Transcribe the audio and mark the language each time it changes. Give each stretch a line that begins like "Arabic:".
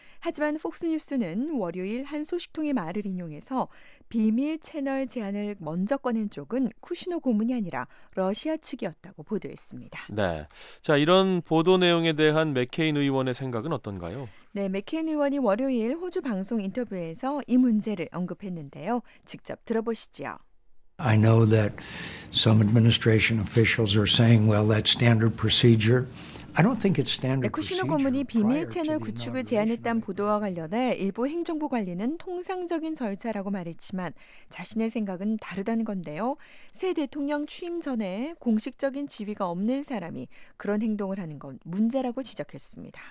Korean: 하지만 폭스뉴스는 월요일 한 소식통의 말을 인용해서 비밀 채널 제안을 먼저 꺼낸 쪽은 쿠슈너 고문이 아니라 러시아 측이었다고 보도했습니다. 네. 자, 이런 보도 내용에 대한 맥케인 의원의 생각은 어떤가요? 네, 맥케인 의원이 월요일 호주 방송 인터뷰에서 이 문제를 언급했는데요. 직접 들어보시죠.
English: I know that some administration officials are saying, well, that's standard procedure. I don't think it's standard procedure.
Korean: 쿠슈너 고문이 비밀 채널 구축을 제안했다는 보도와 관련해 일부 행정부 관리는 통상적인 절차라고 말했지만 자신의 생각은 다르다는 건데요. 새 대통령 취임 전에 공식적인 지위가 없는 사람이 그런 행동을 하는 건 문제라고 지적했습니다.